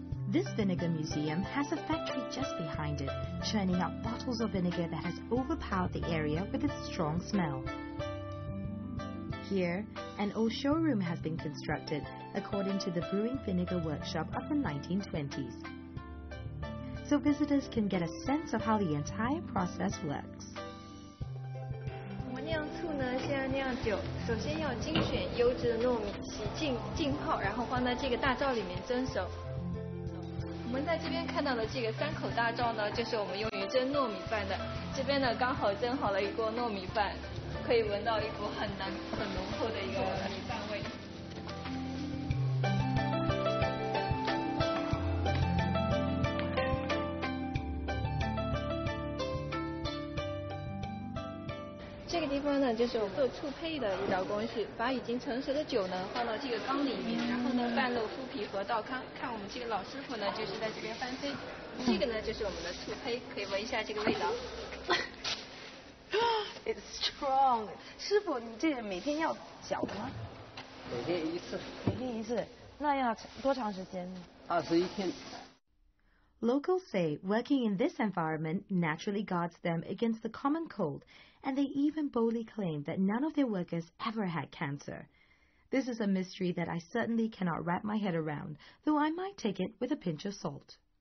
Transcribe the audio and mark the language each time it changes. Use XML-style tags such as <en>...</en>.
<en>This vinegar museum has a factory just behind it, churning out bottles of vinegar that has overpowered the area with its strong smell. Here, an old showroom has been constructed,according to the Brewing Vinegar Workshop of the 1920s. So visitors can get a sense of how the entire process works.</en> <zh>我酿醋呢，先要酿酒，首先要精选优质的糯米，洗净浸泡，然后放在这个大灶里面蒸熟。我们在这边看到的这个三口大灶呢，就是我们用于蒸糯米饭的。这边呢，刚好蒸好了一锅糯米饭，可以闻到一股很浓厚的一个糯米饭。这个地方呢，就是我做醋配的一道工序，把已经成熟的酒呢放到这个缸里面，然后呢半露麸皮和倒糠，看我们这个老师傅呢就是在这边翻飞。这个呢就是我们的醋配，可以闻一下这个味道。</zh> <en>It's strong，</en> <zh>师傅，你这个每天要搅吗？每天一次。每天一次，那要多长时间呢？ 21天。</zh> <en>Locals say working in this environment naturally guards them against the common cold, and they even boldly claim that none of their workers ever had cancer. This is a mystery that I certainly cannot wrap my head around, though I might take it with a pinch of salt.</en>